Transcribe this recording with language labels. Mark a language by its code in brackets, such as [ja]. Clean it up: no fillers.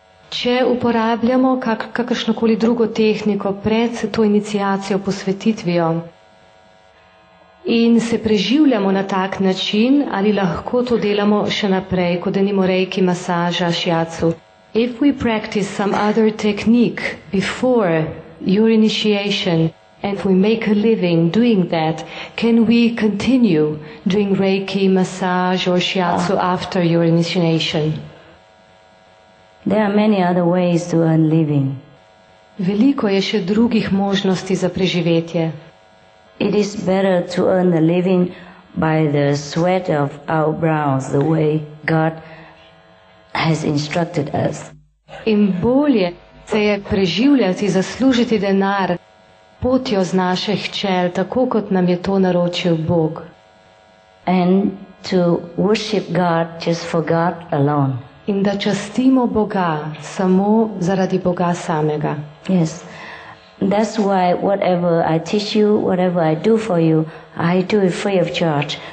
[sl] Če uporabljamo kakršnokoli drugo tehniko pred to iniciacijo posvetitvijo, in se preživljamo na tak način, ali lahko to delamo še naprej, kot denimo reiki, masaža, shiatsu. [en] If we practice some other technique before your initiation and we make a living doing that, can we continue doing reiki, massage or shiatsu after your initiation? There are many other ways to earn living. [sl] Veliko je še drugih možnosti za preživetje. [en] It is better to earn a living by the sweat of our brows, the way God has instructed us. [sl] In bolje se je preživljati, zaslužiti denar, potjo z naših čel, tako kot nam je to naročil Bog. [en] And to worship God just for God alone. [sl] In da častimo Boga samo zaradi Boga samega. [en] Yes. That's why whatever I teach you, whatever I do for you, I do it free of charge.